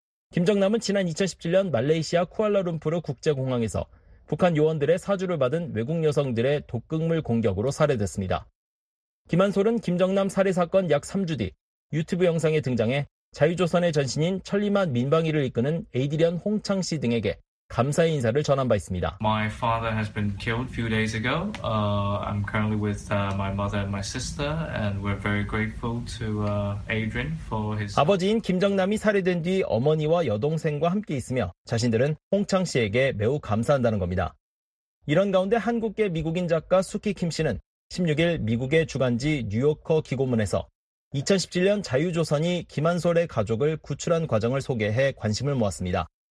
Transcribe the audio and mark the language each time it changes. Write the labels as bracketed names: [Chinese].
[Korean] 김정남은 지난 2017년 말레이시아 쿠알라룸푸르 국제공항에서 북한 요원들의 사주를 받은 외국 여성들의 독극물 공격으로 살해됐습니다. 김한솔은 김정남 살해 사건 약 3주 뒤 유튜브 영상에 등장해 자유조선의 전신인 천리만 민방위를 이끄는 에이디련 홍창 씨 등에게 감사의 인사를 전한 바 있습니다. [English] My father has been killed a few days ago. I'm currently with my mother and my sister and we're very grateful to Adrian for his [Korean] 아버지인 김정남이 살해된 뒤 어머니와 여동생과 함께 있으며 자신들은 홍창 씨에게 매우 감사한다는 겁니다. 이런 가운데 한국계 미국인 작가 수키 김 씨는 16일 미국의 주간지 뉴요커 기고문에서 2017년 자유조선이 김한솔의 가족을 구출한 과정을 소개해 관심을 모았습니다.